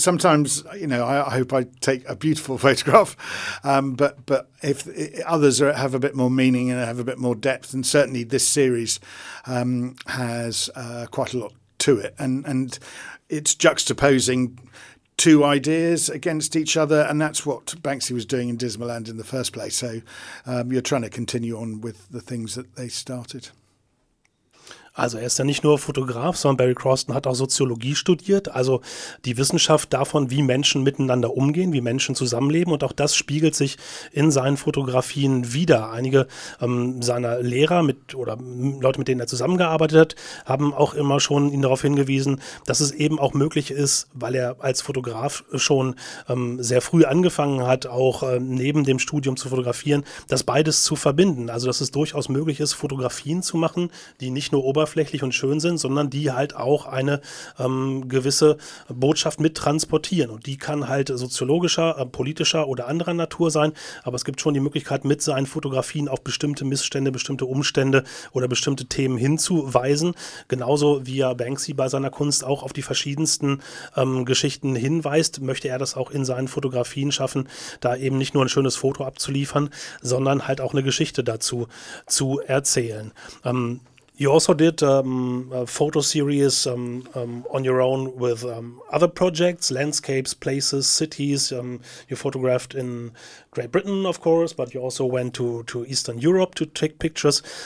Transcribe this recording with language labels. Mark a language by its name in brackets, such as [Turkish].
[English] Sometimes, you know, I hope I take a beautiful photograph, but if others have a bit more meaning and have a bit more depth, and certainly this series has quite a lot to it, and it's juxtaposing two ideas against each other, and that's what Banksy was doing in Dismaland in the first place. So you're trying to continue on with the things that they started. [German] Also er ist ja nicht nur Fotograf, sondern Barry Crosston hat auch Soziologie studiert, also die Wissenschaft davon, wie Menschen miteinander umgehen, wie Menschen zusammenleben, und auch das spiegelt sich in seinen Fotografien wieder. Einige seiner Lehrer mit oder Leute, mit denen er zusammengearbeitet hat, haben auch immer schon ihn darauf hingewiesen, dass es eben auch möglich ist, weil er als Fotograf schon sehr früh angefangen hat, auch neben dem Studium zu fotografieren, das beides zu verbinden. Also dass es durchaus möglich ist, Fotografien zu machen, die nicht nur oberflächlich und schön sind, sondern die halt auch eine gewisse Botschaft mit transportieren. Und die kann halt soziologischer, politischer oder anderer Natur sein, aber es gibt schon die Möglichkeit, mit seinen Fotografien auf bestimmte Missstände, bestimmte Umstände oder bestimmte Themen hinzuweisen. Genauso wie er Banksy bei seiner Kunst auch auf die verschiedensten Geschichten hinweist, möchte er das auch in seinen Fotografien schaffen, da eben nicht nur ein schönes Foto abzuliefern, sondern halt auch eine Geschichte dazu zu erzählen. [English] You also did a photo series on your own with other projects, landscapes, places, cities. You photographed in Great Britain, of course, but you also went to Eastern Europe to take pictures.